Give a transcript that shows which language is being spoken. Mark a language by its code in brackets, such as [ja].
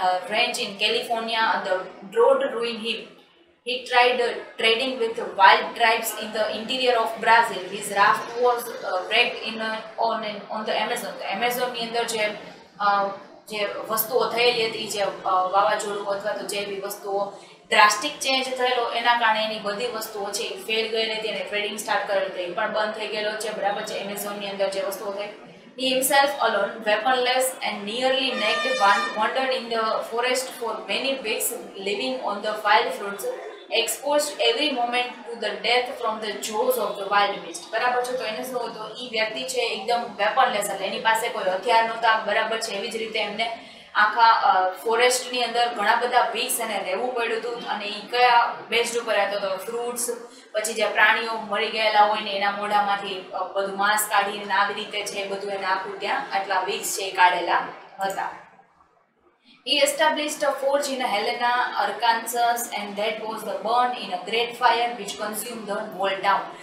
[en] ranch in California the drought ruined him he tried trading with wild tribes in the interior of Brazil his raft was broken on the Amazon [gu] તો એમેઝોનની અંદર જે વસ્તુઓ થયેલી હતી જે વાવાઝોડું અથવા તો જે બી વસ્તુઓ ડ્રાસ્ટિક ચેન્જ થયેલો એના કારણે એની બધી વસ્તુઓ છે એ ફેલ ગયેલી હતી અને ટ્રેડિંગ સ્ટાર્ટ કરેલી હતી એ પણ બંધ થઈ ગયેલો છે બરાબર છે એમેઝોનની અંદર જે વસ્તુઓ થઈ [en] He himself alone, weaponless and nearly naked, wandered in the forest for many weeks, living on the wild fruits, exposed every moment to the death from the jaws of the wild beast. [gu] બરાબર છે તો એને શું હતો એ વ્યક્તિ છે એકદમ વેપનલેસ એટલે એની પાસે કોઈ હથિયાર નહોતા બરાબર છે એવી જ રીતે એમને આખા ફોરેસ્ટની અંદર ઘણા બધા વીક્સ અને રહેવું પડ્યું હતું અને એ કયા બેસ્ટ ઉપર રહેતો હતો ફ્રૂટ્સ પછી જે પ્રાણીઓ મરી ગયેલા હોય ને એના મોઢામાંથી બધું માંસ કાઢીને નાગ રીતે છે બધું એને આખું ત્યાં આટલા વીક્સ છે એ કાઢેલા હતા [en] He established a forge in Helena, Arkansas, and that was the burn in a great fire which consumed the whole town.